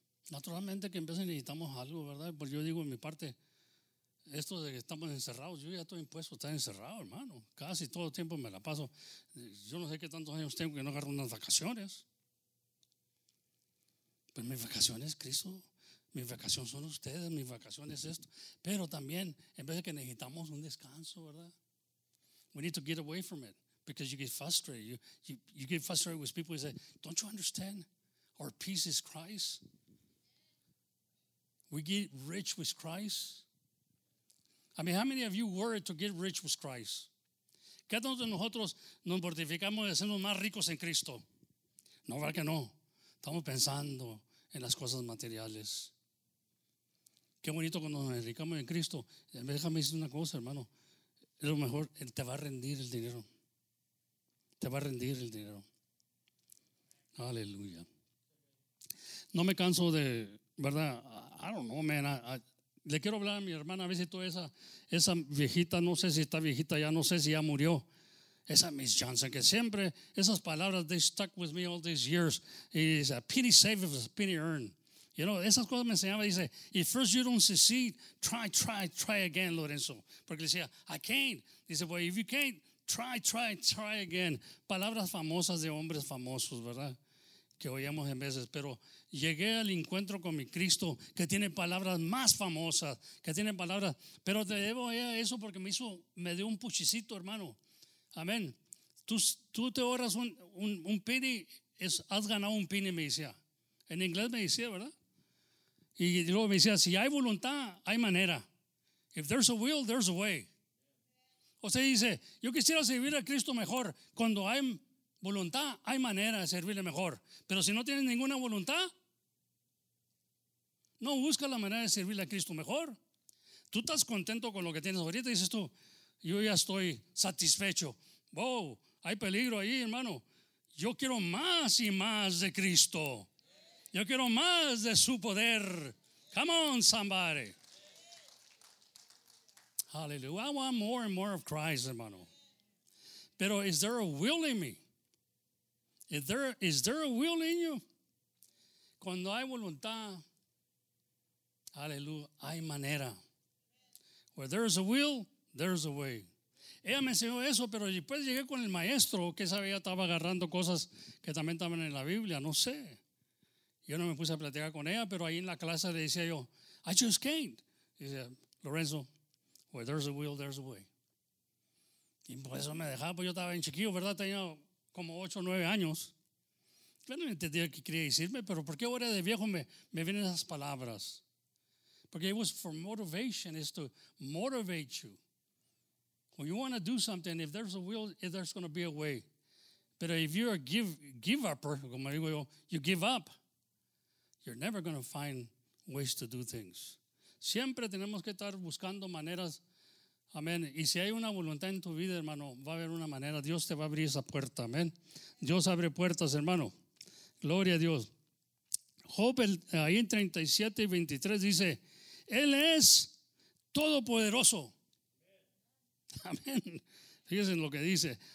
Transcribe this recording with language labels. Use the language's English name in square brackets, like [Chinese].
[Spanish] Naturalmente que en vez necesitamos algo, ¿verdad? Porque yo digo en mi parte, esto de que estamos encerrados, yo ya estoy impuesto a estar encerrado, hermano. Casi todo el tiempo me la paso. Yo no sé qué tantos años tengo que no agarro unas vacaciones. Pero mis vacaciones, Cristo, mis vacaciones son ustedes, mis vacaciones esto. Pero también, en vez de que necesitamos un descanso, ¿verdad? [English] We need to get away from it because you get frustrated. You get frustrated with people who say, don't you understand? Our peace is Christ. We get rich with Christ. I mean, how many of you worried to get rich with Christ? [Spanish] ¿Qué tanto de nosotros nos mortificamos de hacernos más ricos en Cristo? No, ¿verdad que no? Estamos pensando en las cosas materiales. Qué bonito cuando nos enriquecemos en Cristo. Déjame decir una cosa, hermano. Es lo mejor, Él te va a rendir el dinero. Te va a rendir el dinero. Aleluya. No me canso de, ¿verdad? [English] I don't know, man. [Spanish] Le quiero hablar a mi hermana, a ver si toda esa viejita, no sé si está viejita ya, no sé si ya murió. Esa Miss Johnson, que siempre, esas palabras, [English] they stuck with me all these years. [Spanish] Y dice, [English] a penny saved is a penny earned. You know, [Spanish] esas cosas me enseñaba, dice, [English] if first you don't succeed, try again, Lorenzo. [Spanish] Porque le decía, [English] I can't. [Spanish] Dice, [English] well, if you can't, try again. [Spanish] Palabras famosas de hombres famosos, ¿verdad? Que oíamos en veces. Pero llegué al encuentro con mi Cristo, que tiene palabras más famosas, que tiene palabras. Pero te debo a eso porque me dio un puchicito, hermano. Amén. Tú te ahorras un penny, has ganado un penny, me decía. En inglés me decía, ¿verdad? Y luego me decía, si hay voluntad, hay manera. [English] If there's a will, there's a way. [Spanish] O sea, dice, yo quisiera servir a Cristo mejor. Cuando hay voluntad, hay manera de servirle mejor. Pero si no tienes ninguna voluntad, no busca la manera de servirle a Cristo mejor. Tú estás contento con lo que tienes ahorita, dices tú, yo ya estoy satisfecho. Wow, hay peligro ahí, hermano. Yo quiero más y más de Cristo. Yo quiero más de su poder. [English] Come on, somebody. Hallelujah. I want more and more of Christ, hermano. Pero is there a will in me? Is there a will in you? [Spanish] Cuando hay voluntad, [English] hallelujah, [Spanish] hay manera. [English] Where there is a will, there is a way. [Spanish] Ella me enseñó eso, pero después llegué con el maestro, que sabía, estaba agarrando cosas que también estaban en la Biblia, no sé. Yo no me puse a platicar con ella, pero ahí en la clase le decía yo, [English] I just can't. [Spanish] Y dice, [English] Lorenzo, where there's a will, there's a way. [Spanish] Y por eso me dejaba, pues yo estaba bien chiquillo, ¿verdad? Tenía como 8 o 9 años. Yo no entendía qué quería decirme, pero ¿por qué ahora de viejo me vienen esas palabras? [English] Porque it was for motivation, it's to motivate you. When you want to do something, if there's a will, there's going to be a way. Pero if you're a give-upper, [Spanish] como digo yo, [English] you give up. You're never going to find ways to do things. [Spanish] Siempre tenemos que estar buscando maneras. Amén. Y si hay una voluntad en tu vida, hermano, va a haber una manera. Dios te va a abrir esa puerta. Amén. Dios abre puertas, hermano. Gloria a Dios. Job, ahí en 37:23 dice, Él es todopoderoso. Amén. Fíjense en lo que dice.